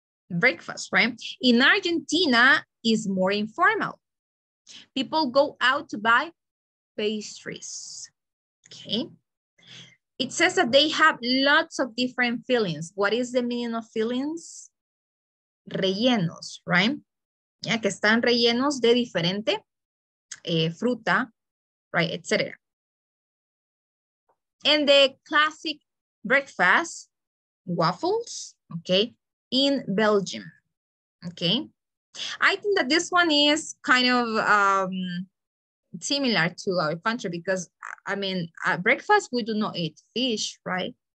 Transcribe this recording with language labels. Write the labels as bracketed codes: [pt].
[en] Breakfast, right? In Argentina, is more informal. People go out to buy pastries. Okay. It says that they have lots of different fillings. What is the meaning of fillings? Rellenos, right? [es] Yeah, que están rellenos de diferente fruta, right, etc. [en] And the classic breakfast, waffles, okay, in Belgium, okay? I think that this one is kind of similar to our country because, I mean, at breakfast, we do not eat fish, right?